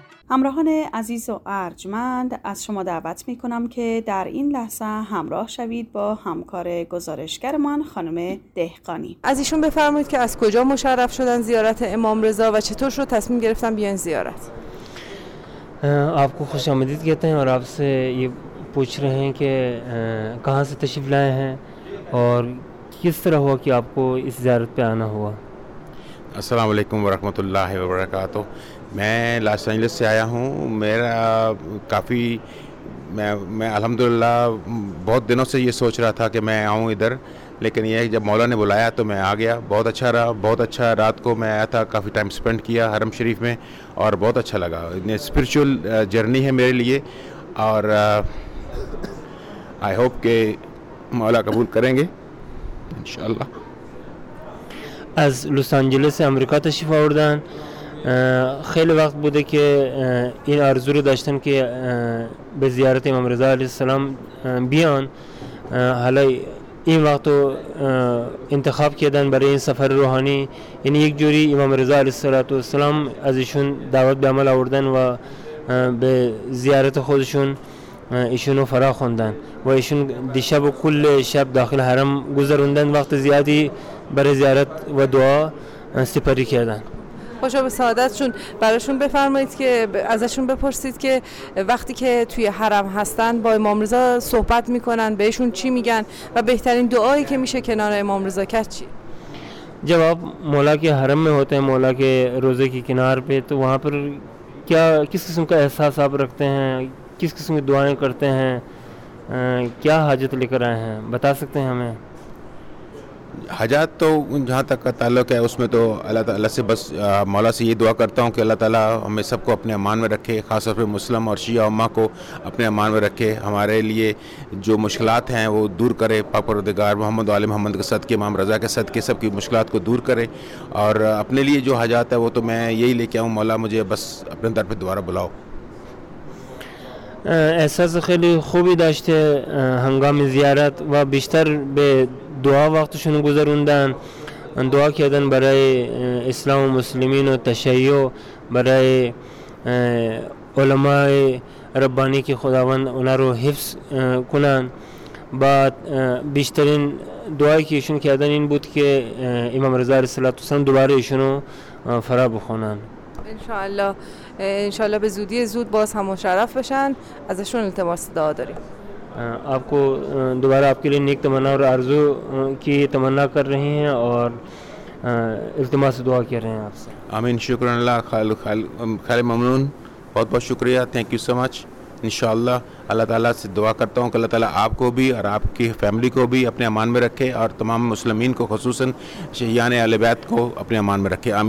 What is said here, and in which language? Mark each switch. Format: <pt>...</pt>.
<fa>همراهان عزیز و ارجمند، از شما دعوت میکنم که در این لحظه همراه شوید با همکار گزارشگرمان خانم دهقانی. از ایشون بفرمایید که از کجا مشرف شدن زیارت امام رضا و چطور شد تصمیم گرفتن بیان زیارت؟</fa> <ur>آپ کو خوش آمدید کہتے ہیں اور آپ سے یہ پوچھ رہے ہیں کہ کہاں سے تشریف لائے ہیں اور کس طرح ہوا کہ آپ کو اس زیارت پہ آنا ہوا؟ السلام علیکم ورحمۃ اللہ وبرکاتہ، میں لاس اینجلس سے آیا ہوں. میرا کافی میں الحمدللہ بہت دنوں سے یہ سوچ رہا تھا کہ میں آؤں ادھر، لیکن یہ جب مولا نے بلایا تو میں آ گیا. بہت اچھا رہا، بہت اچھا رات کو میں آیا تھا، کافی ٹائم سپینڈ کیا حرم شریف میں اور بہت اچھا لگا. اسپریچول جرنی ہے میرے لیے اور</ur> <en>I hope</en> <ur>کہ مولا قبول کریں گے انشاءاللہ.</ur> <fa>از لاس اینجلس سے امریکہ تشریف آوردن، خیلی وقت بوده که این آرزو رو داشتن که به زیارت امام رضا علیه السلام بیان، حالا این وقت رو انتخاب کردن برای این سفر روحانی. یعنی یک جوری امام رضا علیه السلام از ایشون دعوت به عمل آوردن و به زیارت خودشون ایشون رو فرا خوندن و ایشون دیشب و کل شب داخل حرم گذروندن، وقت زیادی برای زیارت و دعا سپری کردن. خوشا به سعادتشون. براشون بفرمایید که ازشون بپرسید که وقتی که توی حرم هستن با امام رضا صحبت میکنن، بهشون چی میگن و بهترین دعایی که میشه کنار امام رضا کرد چی؟</fa> <ur>جواب مولا که حرم میں ہوتے ہیں، مولا کے روزے کی کنار پہ، تو وہاں پر کیا کس قسم کا احساس آپ رکھتے ہیں، کس قسم کی دعائیں کرتے ہیں، کیا حاجت لے کر آئے ہیں، بتا سکتے ہیں ہمیں؟ حاجات تو جہاں تک کا تعلق ہے اس میں تو اللہ تعالیٰ سے بس مولا سے یہ دعا کرتا ہوں کہ اللہ تعالیٰ ہمیں سب کو اپنے امان میں رکھے، خاص طور پہ مسلم اور شیعہ امہ کو اپنے امان میں رکھے، ہمارے لیے جو مشکلات ہیں وہ دور کرے، پاک پروردگار محمد علی محمد کے صدقے، امام رضا کے صدقے سب کی مشکلات کو دور کرے، اور اپنے لیے جو حاجات ہیں وہ تو میں یہی لے کے آؤں، مولا مجھے بس اپنے در پہ دوبارہ بلاؤ.</ur> <fa>احساس خیلی خوبی داشته هنگام زیارت و بیشتر به دعا وقتشون گذروندن، دعا کردن برای اسلام و مسلمین و تشیع، برای علماء ربانی که خداوند اونا رو حفظ کنن. با بیشترین دعایی که ایشون کردن این بود که امام رضا علیه السلام دوباره ایشونو فرا بخونن. انشاءالله به زودی زود باز هم مشرف بشن، ازشون التماس دعا داریم.</fa> <ur>آپ کو دوبارہ آپ کے لیے نیک تمنا اور آرزو کی تمنا کر رہے ہیں اور التماس دعا کر رہے ہیں آپ سے. آمین، شکر اللہ، خیر ممنون، بہت بہت شکریہ،</ur> <en>Thank you so much.</en> <ur>انشاءاللہ اللہ تعالیٰ سے دعا کرتا ہوں کہ اللہ تعالیٰ آپ کو بھی اور آپ کی فیملی کو بھی اپنے امان میں رکھے، اور تمام مسلمین کو خصوصاً شہیان آل بیت کو اپنے امان میں رکھے.</ur>